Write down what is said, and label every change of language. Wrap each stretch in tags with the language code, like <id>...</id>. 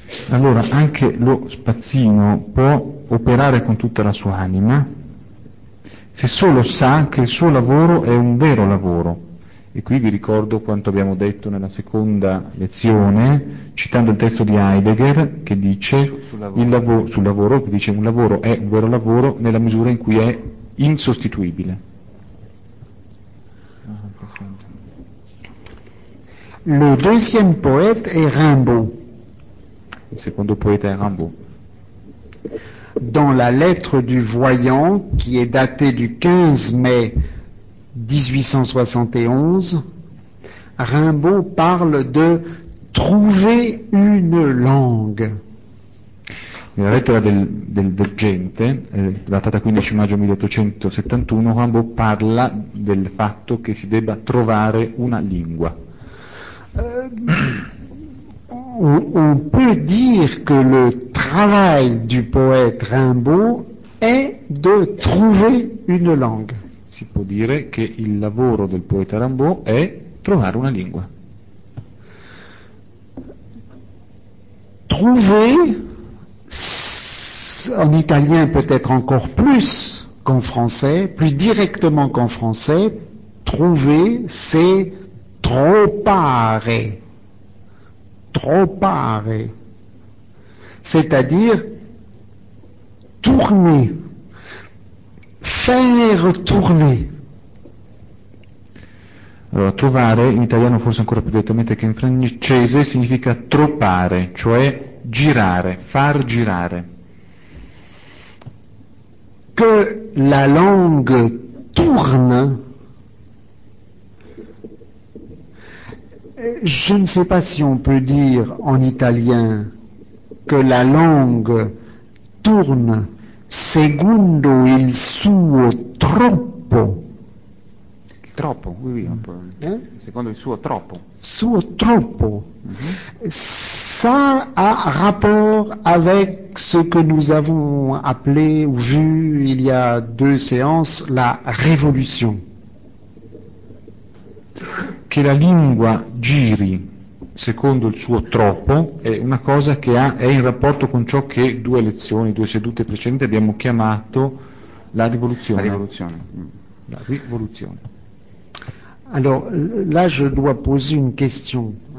<it>Allora, anche lo spazzino può operare con tutta la sua anima se solo sa che il suo lavoro è un vero lavoro. E qui vi ricordo quanto abbiamo detto nella seconda lezione, citando il testo di Heidegger, che dice sul lavoro, che dice un lavoro è un vero lavoro nella misura in cui è insostituibile.</it> <fr>Le deuxième poète est Rimbaud.</fr> <it>Il secondo poeta è Rimbaud.</it> <fr>Dans la lettre du voyant, qui est datée du 15 mai 1871, Rimbaud parle de trouver une langue.</fr> <it>Nella lettera del Veggente, datata 15 maggio 1871, Rimbaud parla del fatto che si debba trovare una lingua.</it> <fr>On peut dire que le travail du poète Rimbaud est de trouver une langue.</fr> <it>Si può dire che il lavoro del poeta Rimbaud è trovare una lingua.</it> <fr>Trouver, en italien peut-être encore plus qu'en français, plus directement qu'en français, trouver, c'est trop paré, c'est-à-dire tourner, faire tourner.</fr> <it>Allora, trovare in italiano forse ancora più direttamente che in francese significa troppare, cioè girare, far girare.</it> <fr>Que la langue tourne. Je ne sais pas si on peut dire en italien que la langue tourne</fr> <it>secondo il suo troppo. Troppo,</it> <fr>oui, un peu.</fr> <it>Secondo il suo troppo. Suo troppo. Mm-hmm.</it> <fr>Ça a rapport avec ce que nous avons appelé ou vu il y a deux séances, la révolution.</fr> <it>Che la lingua giri secondo il suo troppo è una cosa che è in rapporto con ciò che due sedute precedenti abbiamo chiamato la rivoluzione. La rivoluzione.</it> <fr>Alors là je dois poser une question.</fr>